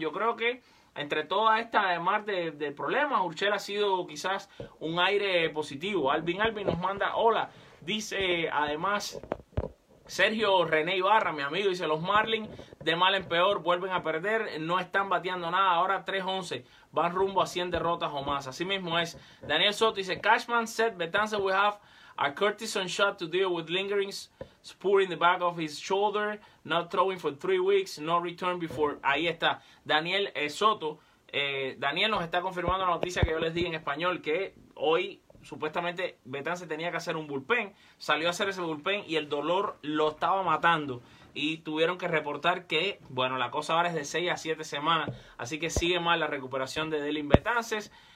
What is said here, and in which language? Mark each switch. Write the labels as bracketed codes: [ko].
[es] Yo creo que entre toda esta mar de problemas, Urshela ha sido quizás un aire positivo. Alvin nos manda hola. Dice además Sergio René Ibarra, mi amigo, dice los Marlins de mal en peor vuelven a perder, no están bateando nada, ahora 3-11, van rumbo a 100 derrotas o más. Así mismo es. [en] Daniel Soto [es] dice, [en] Cashman said Betances will have a cortisone shot to deal with lingering spur in the back of his shoulder, not throwing for 3 weeks, no return before. [es] Ahí está, Daniel Soto. Daniel nos está confirmando la noticia que yo les di en español, que hoy supuestamente Betances tenía que hacer un bullpen, salió a hacer ese bullpen y el dolor lo estaba matando. Y tuvieron que reportar que, bueno, la cosa ahora es de 6 a 7 semanas, así que sigue mal la recuperación de Dellin Betances.